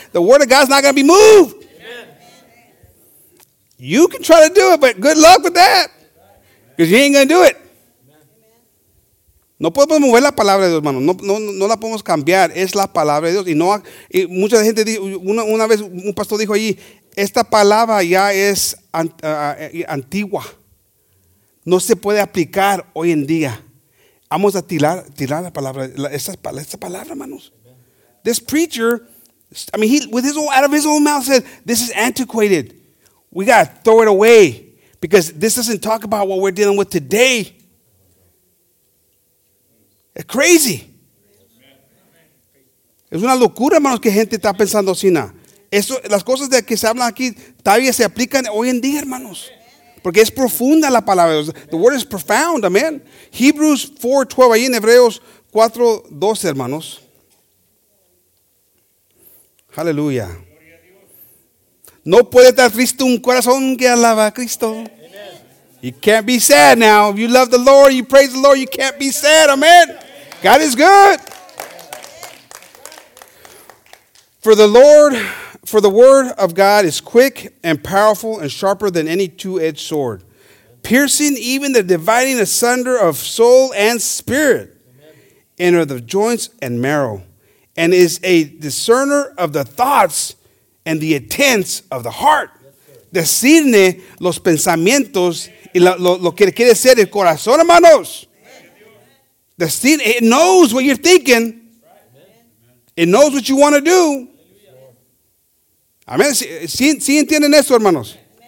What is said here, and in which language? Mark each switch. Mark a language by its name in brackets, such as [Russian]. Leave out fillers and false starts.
[English] The word of God is not going to be moved. Amen. You can try to do it, but good luck with that. Because you ain't going to do it. Amen. [Spanish] No podemos mover la palabra de Dios, hermanos. No la podemos cambiar. Es la palabra de Dios. Y mucha gente dijo, una vez un pastor dijo allí, esta palabra ya es antigua. No se puede aplicar hoy en día. Vamos a tirar la palabra, esa palabra, hermanos. [English] This preacher, I mean, out of his own mouth said, this is antiquated. We got to throw it away because this doesn't talk about what we're dealing with today. It's crazy. [Spanish] Es una locura, hermanos, que gente está pensando así. Eso, las cosas de que se hablan aquí todavía se aplican hoy en día, hermanos. Porque es profunda la palabra. [English] The word is profound, amen. Hebrews 4:12, [Spanish] ahí en Hebreos 4:12, hermanos. Aleluya. No puede estar triste un corazón que alaba a Cristo. [English] You can't be sad now. If you love the Lord, you praise the Lord, you can't be sad, amen. God is good. For the word of God is quick and powerful and sharper than any two-edged sword, piercing even the dividing asunder of soul and spirit, and of the joints and marrow, and is a discerner of the thoughts and the intents of the heart. [Spanish] Discierne los pensamientos y lo que quiere ser el corazón, hermanos. [English] It knows what you're thinking. It knows what you want to do. Amén. [Spanish] ¿Sí entienden esto, hermanos?